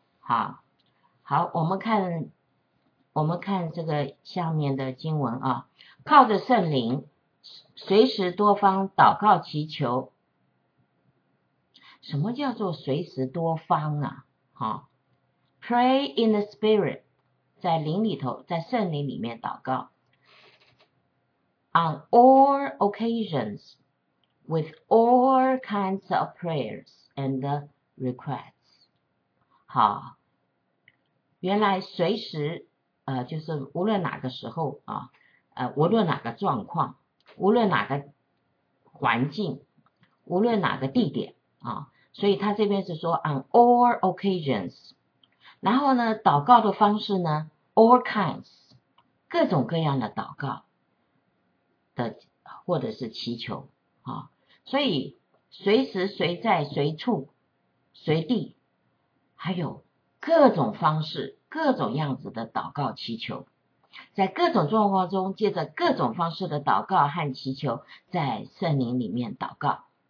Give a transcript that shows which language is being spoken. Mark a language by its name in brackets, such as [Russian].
[Chinese] 好，好，我们看这个下面的经文啊，靠着圣灵，随时多方祷告祈求。什么叫做随时多方啊？好 ， [English] Pray in the Spirit， [Chinese] 在灵里头，在圣灵里面祷告。 [English] On all occasions, with all kinds of prayers and requests。 [Chinese] 好，原来随时就是无论哪个时候啊，无论哪个状况，无论哪个环境，无论哪个地点啊。所以他这边是说 [English] on all occasions， [Chinese] 然后呢祷告的方式呢 [English] all kinds， [Chinese] 各种各样的祷告的或者是祈求啊，所以随时随在随处随地，还有各种方式各种样子的祷告祈求，在各种状况中借着各种方式的祷告和祈求在圣灵里面祷告。